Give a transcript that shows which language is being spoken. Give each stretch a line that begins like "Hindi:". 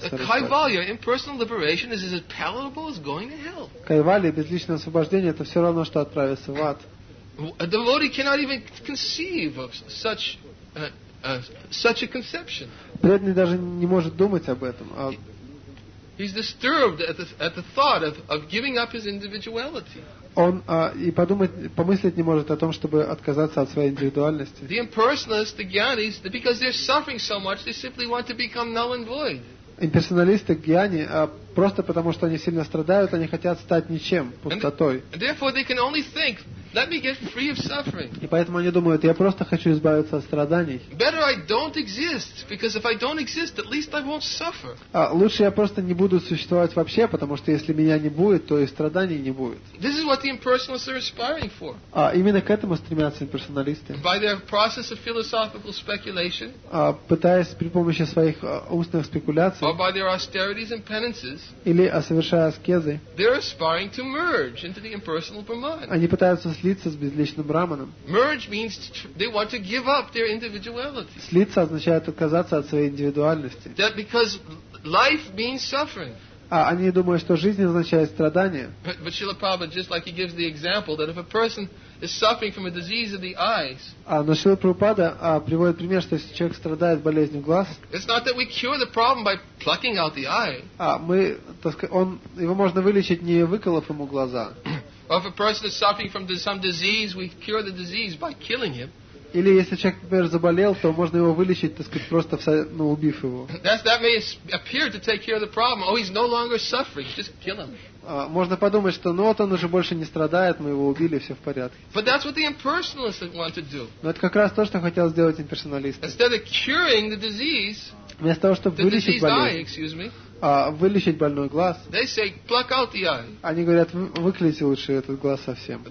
Russian: Сарасвати. Кайвалья, безличное освобождение, это все равно, что отправиться в ад.
English: A devotee cannot even conceive of such such a conception.
Russian: Преданный даже не может думать об этом.
English: He's disturbed at the thought of giving up his individuality.
Russian: Он и подумать, помыслить не может о том, чтобы отказаться от своей индивидуальности.
English: The impersonalists, gyanis, because they're suffering so much, they simply want to become null and void.
Russian: Имперсоналисты, гьяни, просто потому, что они сильно страдают, они хотят стать ничем, пустотой.
English: And therefore they can only think, let me get free of suffering.
Russian: И поэтому они думают, я просто хочу избавиться от страданий.
English: Better I don't exist, because if I don't exist, at least I won't suffer.
Russian: Лучше я просто не буду существовать вообще, потому что если меня не будет, то и страданий не будет.
English: This is what the impersonalists are aspiring for.
Russian: Именно к этому стремятся имперсоналисты.
English: By their process of philosophical speculation.
Russian: Пытаясь при помощи своих устных спекуляций.
English: Or by their austerities and penances.
Russian: Или совершая аскезы.
English: They're aspiring to merge into the impersonal Brahman.
Russian: Они пытаются слиться с безличным Брахманом.
English: Merge means they want to give up their individuality.
Russian: Слиться означает отказаться от своей индивидуальности.
English: That because life means suffering.
Russian: Они думают, что жизнь означает страдание.
English: But Srila Prabhupada, just like he gives the example that if a person is suffering from a disease of the eyes.
Russian: Но Шрила Прабхупада приводит пример, что если человек страдает болезнью глаз.
English: It's not that we cure the problem by plucking out the eye.
Russian: Его можно вылечить, не выколов ему глаза.
English: Or if a person is suffering from some disease, we cure the disease by killing him.
Russian: Или если человек, например, заболел, то можно его вылечить, так сказать, просто убив его.
English: That may appear to take care of the problem. Oh, he's no longer suffering. Just kill him.
Russian: Можно подумать, что он уже больше не страдает, мы его убили, все в порядке.
English: But that's what the impersonalists want to do.
Russian: Но это как раз то, что хотел сделать имперсоналист.
English: Instead of curing the disease,
Russian: вместо того, чтобы вылечить болезнь, вылечить больной глаз.
English: They say, pluck out the eye.
Russian: Они говорят, выклейте лучше этот глаз совсем.